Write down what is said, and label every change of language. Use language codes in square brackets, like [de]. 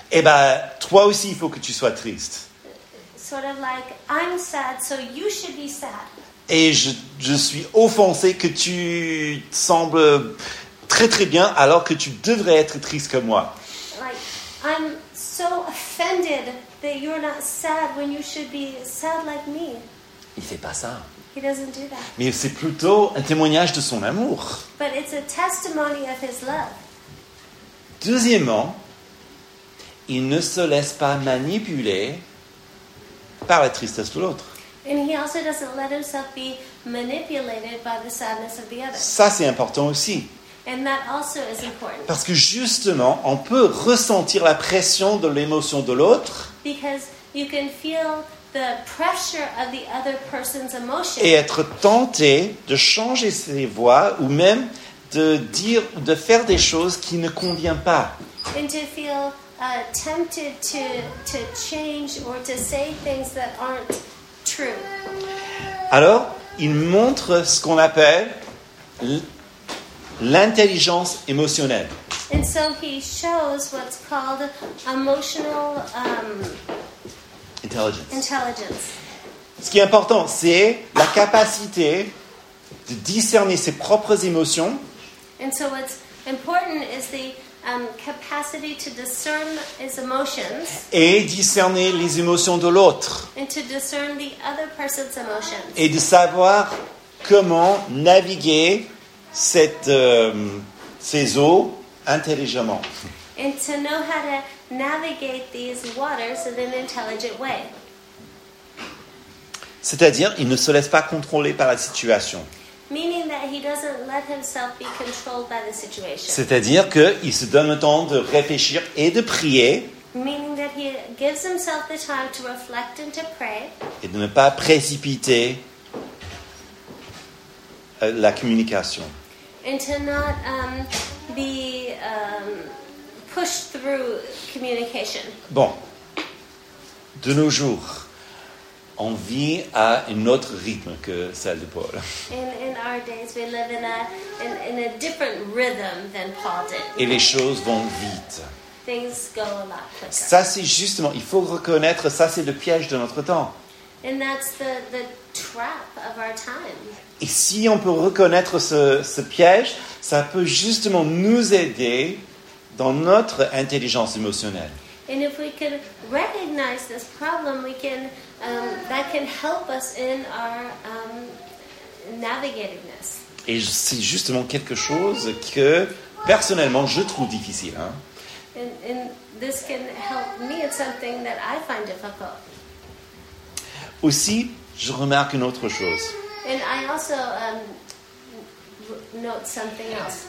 [fr] Eh ben, toi aussi, il faut que tu sois triste. [en] Sort of like, I'm sad, so you should be sad. [fr] Et je suis offensé que tu te sembles très très bien alors que tu devrais être triste comme moi. [en] Like, I'm so offended that you're not sad when you should be sad like me. [fr] Il fait pas ça. [en] He doesn't do that. [fr] Mais c'est plutôt un témoignage de son amour. [en] But it's a testimony of his love. [fr] Deuxièmement, il ne se laisse pas manipuler par la tristesse de l'autre. [en] And he also doesn't let himself be manipulated by the sadness of the other. [fr] Ça, c'est important aussi. [en] And that also is important. [fr] Parce que justement, on peut ressentir la pression de l'émotion de l'autre. [en] Because you can feel the pressure of the other person's emotion. [fr] Et être tenté de changer ses voies ou même de dire ou de faire des choses qui ne conviennent pas. [en] And to feel tempted to change or to say things that aren't true. [fr] Alors, il montre ce qu'on appelle l'intelligence émotionnelle. [en] And so he shows what's called emotional intelligence. [fr] Ce qui est important, c'est la capacité de discerner ses propres émotions. [en] And so what's important is the capacity to discern his emotions, [fr] et discerner les émotions de l'autre, [en] and to discern the other person's emotions, [fr] et de savoir comment naviguer ces eaux intelligemment, [en] and to know how to navigate these waters in an intelligent way. [fr] C'est-à-dire, il ne se laisse pas contrôler par la situation. [en] Meaning that he doesn't let himself be controlled by the situation. [fr] C'est-à-dire qu'il se donne le temps de réfléchir et de prier. [en] Meaning that he gives himself the time to reflect and to pray. [fr] Et de ne pas précipiter la communication. [en] And to not be pushed through communication. [fr] Bon, de nos jours, on vit à un autre rythme que celle de Paul. [en] In our days, we live in a different rhythm than Paul did. [fr] Et les choses vont vite. [en] Things go a lot quicker. [fr] Ça, c'est justement, il faut reconnaître, ça, c'est le piège de notre temps. [en] And that's the trap of our time. [fr] Et si on peut reconnaître ce piège, ça peut justement nous aider dans notre intelligence émotionnelle. [en] And if we can recognize this problem, we can that can help us in our navigatingness. [fr] Et c'est justement quelque chose que personnellement je trouve difficile. Hein. [en] And this can help me. It's something that I find difficult. [fr] Aussi, je remarque une autre chose. [en] And I also note something else.